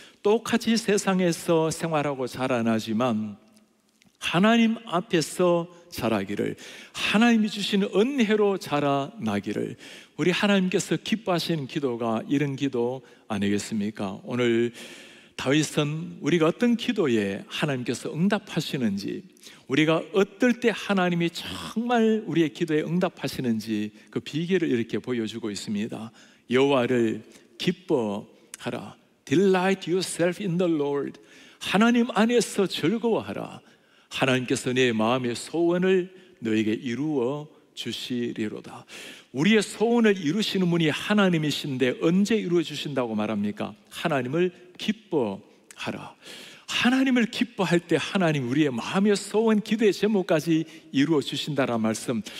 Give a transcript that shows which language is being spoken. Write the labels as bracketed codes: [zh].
[ko] 똑같이 세상에서 생활하고 자라나지만 하나님 앞에서 자라기를, 하나님이 주신 은혜로 자라나기를, 우리 하나님께서 기뻐하시는 기도가 이런 기도 아니겠습니까? 오늘 다윗은 우리가 어떤 기도에 하나님께서 응답하시는지, 우리가 어떨 때 하나님이 정말 우리의 기도에 응답하시는지 그 비결을 이렇게 보여주고 있습니다. 여호와를 기뻐하라. [en] Delight yourself in the Lord. [ko] 하나님 안에서 즐거워하라. 하나님께서 내 마음의 소원을 너에게 이루어 주시리로다. 우리의 소원을 이루시는 분이 하나님이신데 언제 이루어 주신다고 말합니까? 하나님을 기뻐하라. 하나님을 기뻐할 때 하나님 우리의 마음의 소원, 기도의 제목까지 이루어 주신다라는 말씀.